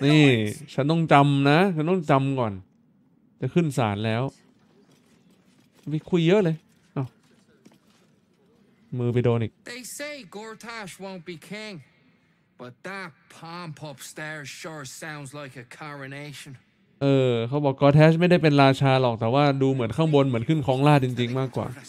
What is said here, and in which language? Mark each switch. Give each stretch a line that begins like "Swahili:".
Thai: นี่ฉันต้องจำนะฉันต้องจำก่อนจะขึ้นศาลแล้วไปคุยเยอะเลยมือไปโดนอีก
English: They say Gortash won't be king but that pomp upstairs sure sounds like a coronation
Thai: เขาบอก Gortash ไม่ได้เป็นราชาหรอกแต่ว่าดูเหมือนข้างบนเหมือนขึ้นครองราชจริงๆมากกว่า